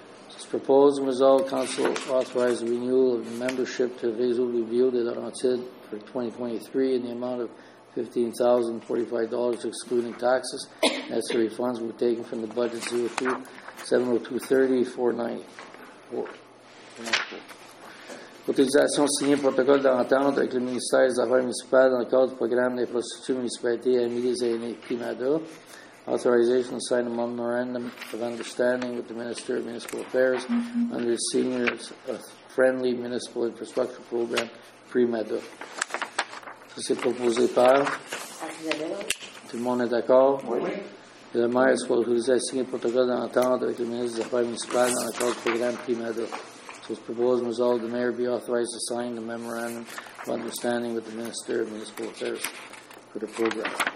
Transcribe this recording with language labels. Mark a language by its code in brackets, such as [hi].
[en] This proposed resolve council authorize the renewal of membership to réseau biblio de Laurentides for 2023 in the amount of $15,045, excluding taxes. Necessary funds were taken from the budget 02-702-30-490. [fr] Autorisation signée protocole d'entente avec le ministère des Affaires municipales dans le cadre du programme des prostituées municipalités Amis des Aînés Primada. [en] Authorization to sign a memorandum of understanding with the Minister of Municipal Affairs under the Seniors Friendly Municipal Infrastructure Program Primada. [fr] Ça, c'est proposé par? Tout le monde est d'accord? Oui. Le maire soit autorisé à signer le protocole d'entente avec le ministre des Affaires municipales dans le cadre du programme Primada. [en] So it's proposed resolved the mayor be authorized to sign the memorandum of understanding with the Minister of Municipal Affairs for the program.